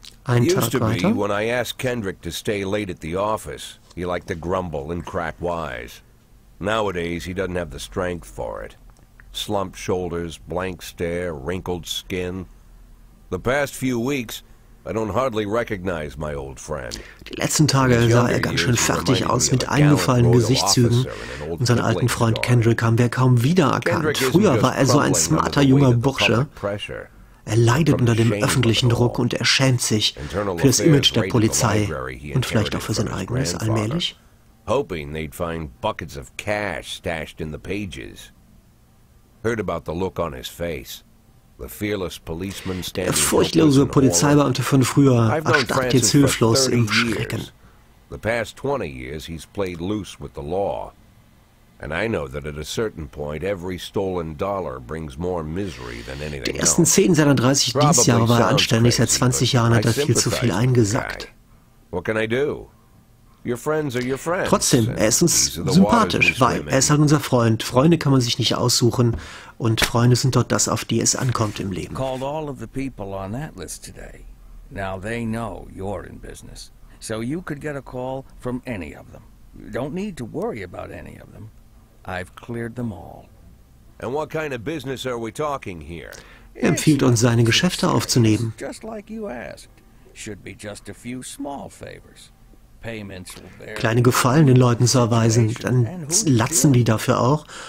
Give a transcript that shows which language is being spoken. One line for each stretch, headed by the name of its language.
English: It used to be when I asked Kendrick to stay late at the office, he liked to grumble and crack wise. Nowadays, he doesn't have the strength for it. Slumped shoulders, blank stare, wrinkled skin. The past few weeks, I don't hardly recognize my old friend.
German: Die letzten Tage sah er ganz schön fertig aus mit eingefallenen Gesichtszügen. Unseren alten Freund Kendrick haben wir kaum wiedererkannt. Früher war er so ein smarter junger Bursche. Er leidet unter dem öffentlichen Druck und er schämt sich für das Image der Polizei und vielleicht auch für sein eigenes allmählich.
English: Hoping they'd find buckets of cash stashed in the pages. Heard about the look on his face. The fearless policeman standing.
German: Der furchtlose Polizeibeamte von früher erstarrt jetzt hilflos im Schrecken.
English: The past 20 years he's played loose with the law. And I know that at a certain point every stolen dollar brings more misery than anything.
German: Die ersten 10 seiner 30 Dienstjahre war er anständig, seit 20 Jahren hat er viel zu viel eingesackt.
English: What can I do? Your friends are your friends.
German: Trotzdem, er ist uns sympathisch, weil er ist halt unser Freund. Freunde kann man sich nicht aussuchen und Freunde sind dort das, auf die es ankommt im Leben.
English: Called all of the people on that list today. Now they know you're in business. So you could get a call from any of them. Don't need to worry about any of them. I've cleared them all. And what kind of business are we talking here?
German: Er empfiehlt uns, seine Geschäfte aufzunehmen.
English: Just like you asked, should be just a few small favors. Payments will bear.
German: Kleine Gefallen den Leuten zu erweisen, dann latzen die dafür auch.